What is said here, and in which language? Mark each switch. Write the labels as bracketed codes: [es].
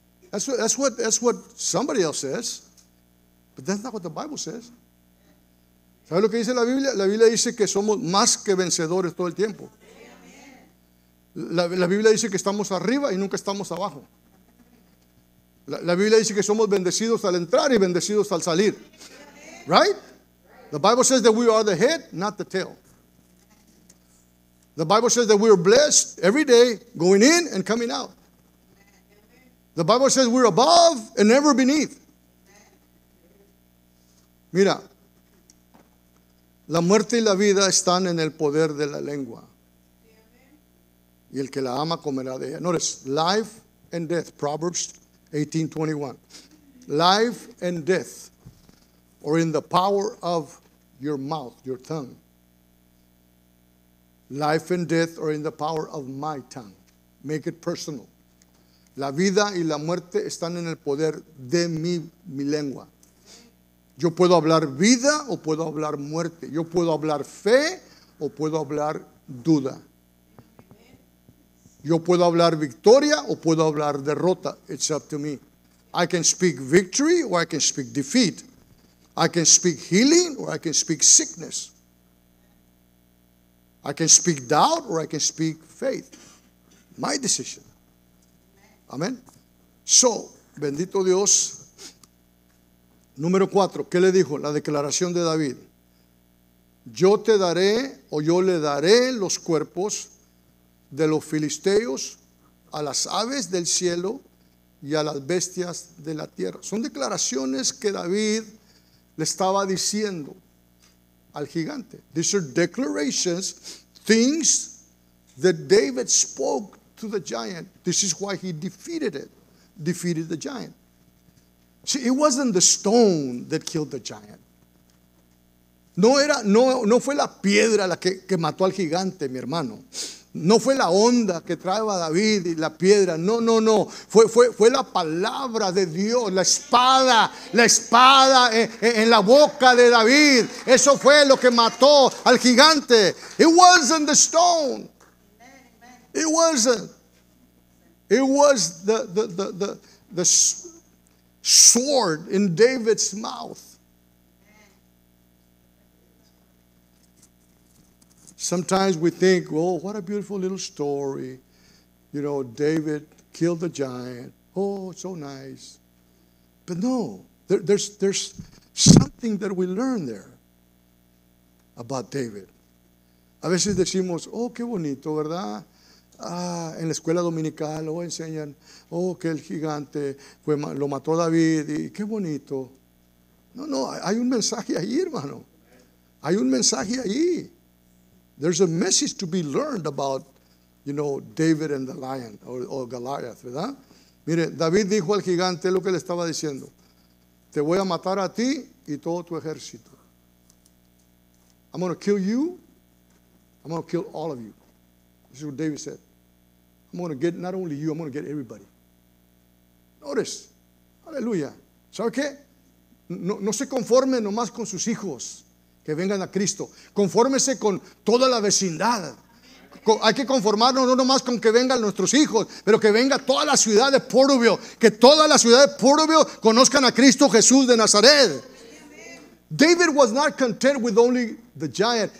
[en] That's what somebody else says. But that's not what the Bible says. [es] ¿Sabe lo que dice la Biblia? La Biblia dice que somos más que vencedores todo el tiempo. La Biblia dice que estamos arriba y nunca estamos abajo. La Biblia dice que somos bendecidos al entrar y bendecidos al salir. [en] Right? The Bible says that we are the head, not the tail. The Bible says that we are blessed every day going in and coming out. The Bible says we're above and never beneath. [es] Mira, la muerte y la vida están en el poder de la lengua. Y el que la ama comerá de ella. [en] Notice, life and death, Proverbs 18:21. Life and death are in the power of your mouth, your tongue. Life and death are in the power of my tongue. Make it personal. [es] La vida y la muerte están en el poder de mi lengua. Yo puedo hablar vida o puedo hablar muerte. Yo puedo hablar fe o puedo hablar duda. Yo puedo hablar victoria o puedo hablar derrota. [en] It's up to me. I can speak victory or I can speak defeat. I can speak healing or I can speak sickness. I can speak doubt or I can speak faith. My decision. Amén. [es] So, bendito Dios. Número 4, ¿qué le dijo? La declaración de David. Yo te daré o yo le daré los cuerpos de los filisteos a las aves del cielo y a las bestias de la tierra. Son declaraciones que David le estaba diciendo al gigante. [en] These are declarations, things that David spoke to the giant. This is why he defeated the giant. See, it wasn't the stone that killed the giant. [es] No fue la piedra la que mató al gigante, mi hermano. No fue la onda que trajo a David y la piedra. No. Fue la palabra de Dios, la espada en la boca de David. Eso fue lo que mató al gigante. [en] It wasn't the stone. It wasn't. It was the sword in David's mouth. Sometimes we think, oh, what a beautiful little story. You know, David killed the giant. Oh, so nice. But no, there's something that we learn there about David. [es] A veces decimos, oh, qué bonito, ¿verdad? Ah, en la escuela dominical o enseñan, oh, que el gigante fue, lo mató David y qué bonito. No, hay un mensaje ahí, hermano. Hay un mensaje ahí. [en] There's a message to be learned about, you know, David and the lion or Goliath, [es] ¿verdad? Mire, David dijo al gigante lo que le estaba diciendo. Te voy a matar a ti y todo tu ejército. [en] I'm going to kill you. I'm going to kill all of you. This is what David said. I'm going to get not only you, I'm going to get everybody. [es] Notice. Aleluya. ¿Sabe qué? No se conforme nomás con sus hijos que vengan a Cristo. Confórmese con toda la vecindad. Hay que conformarnos no nomás con que vengan nuestros hijos, pero que venga toda la ciudad de Porubio. Que toda la ciudad de Porubio conozcan a Cristo Jesús de Nazaret. [en] David was not content with only the giant.